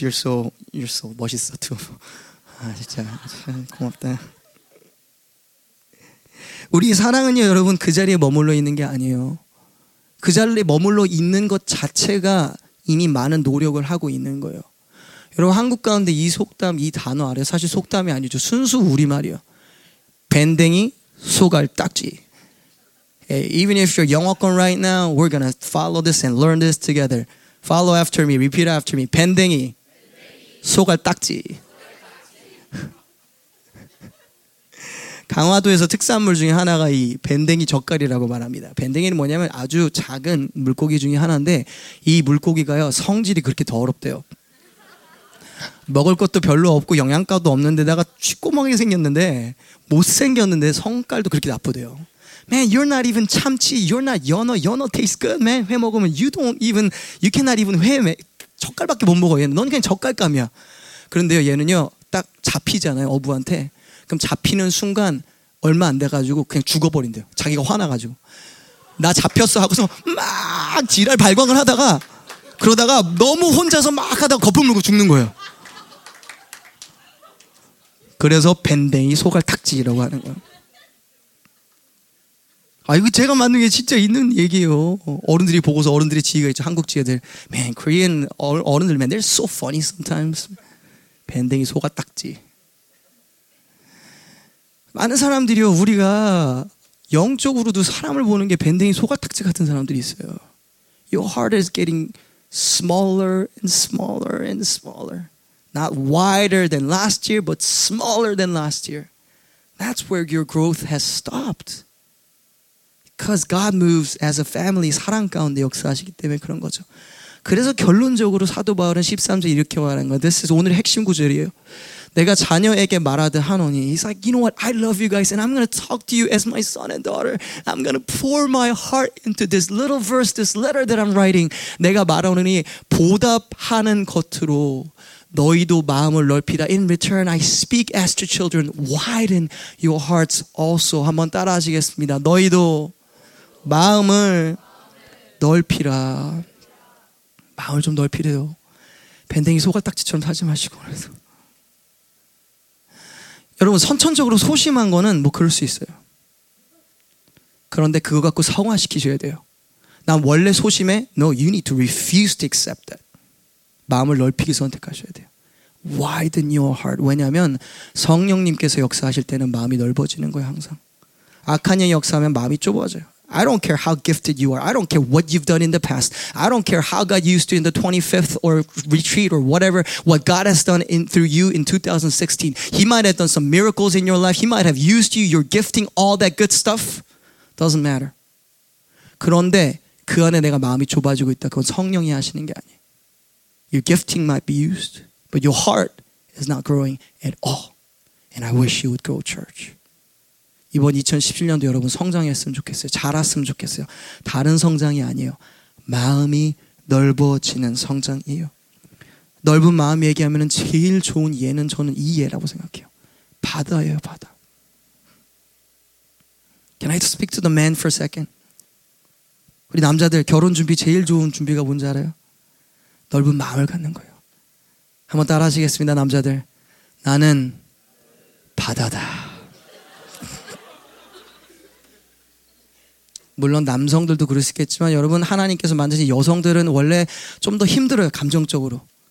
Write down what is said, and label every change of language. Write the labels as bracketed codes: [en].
[en] You're so [ko] 멋있어 [en] too. [ko] 아 진짜 고맙다. 우리 사랑은요 여러분 그 자리에 머물러 있는 게 아니에요. 그 자리에 머물러 있는 것 자체가 이미 많은 노력을 하고 있는 거예요. 여러분 한국 가운데 이 속담 이 단어 아래 사실 속담이 아니죠. 순수 우리말이요. 밴댕이 속알 딱지. [en] Even if you're [ko] 영어권 [en] right now, we're gonna follow this and learn this together. Follow after me, repeat after me. [ko] 밴댕이 속알 딱지. 강화도에서 특산물 중에 하나가 이 밴댕이 젓갈이라고 말합니다. 밴댕이는 뭐냐면 아주 작은 물고기 중에 하나인데 이 물고기가요 성질이 그렇게 더럽대요. 먹을 것도 별로 없고 영양가도 없는데다가 쥐꼬멍이 생겼는데 못생겼는데 성깔도 그렇게 나쁘대요. [en] Man, you're not even [ko] 참치. [en] You're not [ko] 연어. [en] 연어 tastes good, man. [ko] 회 먹으면 [en] you cannot even [ko] 회, 매. 젓갈밖에 못 먹어. 얘는 넌 그냥 젓갈감이야. 그런데요, 얘는요, 딱 잡히잖아요, 어부한테. 그럼 잡히는 순간 얼마 안 돼가지고 그냥 죽어버린대요. 자기가 화나가지고. 나 잡혔어 하고서 막 지랄 발광을 하다가 그러다가 너무 혼자서 막 하다가 거품 물고 죽는 거예요. 그래서 밴댕이 속알 탁지라고 하는 거예요. 아 이거 제가 맞는 게 진짜 있는 얘기예요. 어른들이 보고서 어른들의 지혜가 있죠. 한국 지혜들. [en] Man, Korean [ko] 어른들, [en] man, they're so funny sometimes. [ko] 밴댕이 속알 탁지. 많은 사람들이요. 우리가 영적으로도 사람을 보는 게 밴댕이 속알 탁지 같은 사람들이 있어요. [en] Your heart is getting smaller and smaller and smaller. Not wider than last year, but smaller than last year. That's where your growth has stopped. Because God moves as a family, [ko] 사랑 가운데 역사하시기 때문에 그런 거죠. 그래서 결론적으로 사도 바울은 13절 이렇게 말하는 거예요. [en] This is [ko] 오늘 핵심 구절이에요. 내가 자녀에게 말하듯 하노니. [en] He's like, you know what? I love you guys and I'm going to talk to you as my son and daughter. I'm going to pour my heart into this little verse, this letter that I'm writing. [ko] 내가 말하노니 보답하는 것으로 너희도 마음을 넓히라. [en] In return, I speak as to children. Widen your hearts also. [ko] 한번 따라하시겠습니다. 너희도 마음을 넓히라. 마음을 좀 넓히래요. 밴댕이 소갈딱지처럼 사지 마시고. 그래서. 여러분, 선천적으로 소심한 거는 뭐 그럴 수 있어요. 그런데 그거 갖고 성화시키셔야 돼요. 난 원래 소심해? [en] No, you need to refuse to accept that. [ko] 마음을 넓히기 선택하셔야 돼요. [en] Widen your heart. [ko] 왜냐하면 성령님께서 역사하실 때는 마음이 넓어지는 거예요, 항상. 악한 영이 역사하면 마음이 좁아져요. [en] I don't care how gifted you are. I don't care what you've done in the past. I don't care how God used you in the 25th or retreat or whatever, what God has done in, through you in 2016. He might have done some miracles in your life. He might have used you, your gifting, all that good stuff. Doesn't matter. [ko] 그런데 그 안에 내가 마음이 좁아지고 있다. 그건 성령이 하시는 게 아니에요. [en] Your gifting might be used, but your heart is not growing at all. And I wish you would grow church. [ko] 이번 2017년도 여러분 성장했으면 좋겠어요. 자랐으면 좋겠어요. 다른 성장이 아니에요. 마음이 넓어지는 성장이에요. 넓은 마음 얘기하면 제일 좋은 예는 저는 이 예라고 생각해요. 바다예요, 바다. [en] Can I speak to the man for a second? [ko] 우리 남자들 결혼 준비 제일 좋은 준비가 뭔지 알아요? 넓은 마음을 갖는 거예요. 한번 따라 하시겠습니다, 남자들. 나는 바다다. 물론 남성들도 그럴 수 있겠지만 여러분 하나님께서 만드신 여성들은 원래 좀 더 힘들어요, 감정적으로.